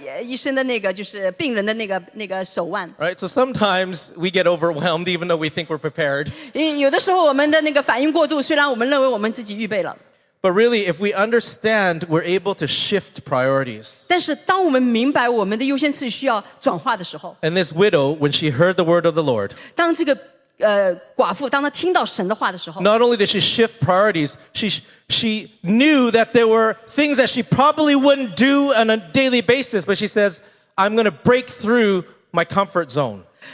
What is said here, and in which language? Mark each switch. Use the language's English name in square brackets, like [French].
[Chinese] 我的朋友把他的太太送过去以后，他自己也不行了，所以他们两个都有那个医生的那个就是病人的那个手腕。Right, [English] so sometimes we get overwhelmed even though we think we're prepared. [Chinese] 有的时候我们的那个反应过度，虽然我们认为我们自己预备了。But [English] really, if we understand, we're able to shift priorities. [Chinese] 但是当我们明白我们的优先次序需要转化的时候。And [English] this widow, when she heard the word of the Lord, [Chinese] 当这个 寡妇当她听到神的话的时候, [English] not only did she shift priorities, she knew that there were things that she probably wouldn't do on a daily basis, but she says, I'm going to break through my comfort zone.